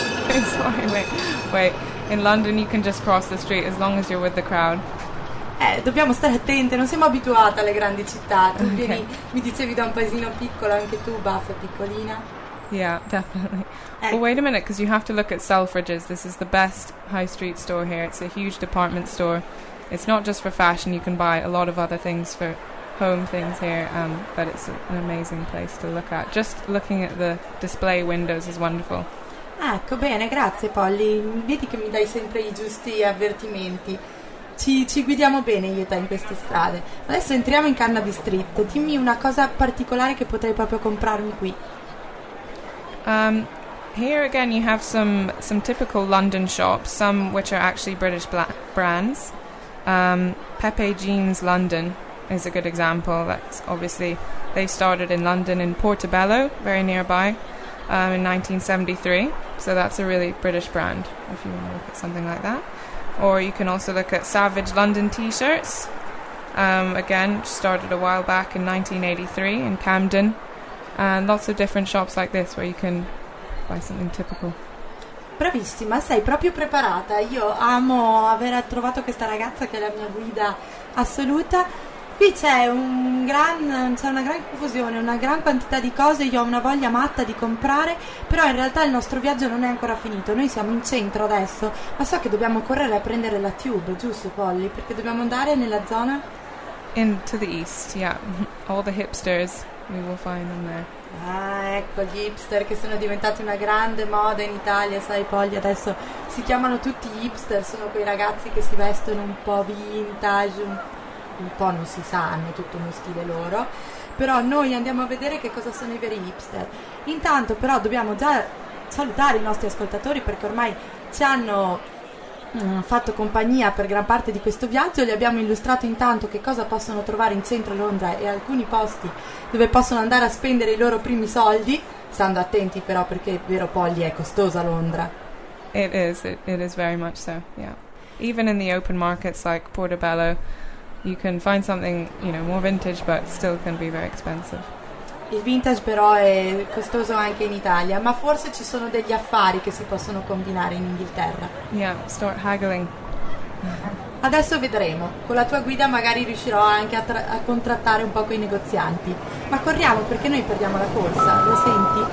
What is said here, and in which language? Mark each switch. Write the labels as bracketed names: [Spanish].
[English] Sorry, wait, in London you can just cross the street as long as you're with the crowd. [Italian] Dobbiamo stare attente, non siamo abituate alle grandi città. Tu vieni, mi dicevi, da un paesino piccolo, anche tu, Buff, piccolina. [English] Yeah, definitely. Well, wait a minute, because you have to look at Selfridges. This is the best high street store here. It's a huge department store. It's not just for fashion. You can buy a lot of other things for home things here, but it's an amazing place to look at. Just looking at the display windows is wonderful. [Italian] Ecco, bene, grazie, Polly. Vedi che mi dai sempre i giusti avvertimenti. ci guidiamo bene io e te in queste strade. Adesso entriamo in Carnaby Street. Dimmi una cosa particolare che potrei proprio comprarmi qui. [English] Here again you have some typical London shops, some which are actually British brands. Pepe Jeans London is a good example. That's obviously, they started in London in Portobello, very nearby, in 1973. So that's a really British brand, if you want to look at something like that. Or you can also look at Savage London T-shirts. Again, started a while back in 1983 in Camden. And lots of different shops like this where you can buy something typical. [Italian] Bravissima, sei proprio preparata. Io amo aver trovato questa ragazza che è la mia guida assoluta. Qui c'è una gran confusione, una gran quantità di cose, io ho una voglia matta di comprare, però in realtà il nostro viaggio non è ancora finito, noi siamo in centro adesso, ma so che dobbiamo correre a prendere la tube, giusto Polly? Perché dobbiamo andare nella zona... [English] Into the east, yeah, all the hipsters, we will find them there. [Italian] Ah, ecco, gli hipster che sono diventati una grande moda in Italia, sai Polly, adesso si chiamano tutti hipster, sono quei ragazzi che si vestono un po' vintage, un po' non si sa, hanno tutto uno stile loro, però noi andiamo a vedere che cosa sono i veri hipster. Intanto però dobbiamo già salutare i nostri ascoltatori perché ormai ci hanno fatto compagnia per gran parte di questo viaggio, gli abbiamo illustrato intanto che cosa possono trovare in centro Londra e alcuni posti dove possono andare a spendere i loro primi soldi, stando attenti però perché è vero Polly, è costosa Londra. [English] It is very much so, yeah. Even in the open markets like Portobello you can find something, you know, more vintage but still can be very expensive. [Italian] Il vintage però è costoso anche in Italia, ma forse ci sono degli affari che si possono combinare in Inghilterra. [English] Yeah, start haggling. [Italian] Adesso vedremo, con la tua guida magari riuscirò anche a contrattare un po' con i negozianti. Ma corriamo perché noi perdiamo la corsa, lo senti?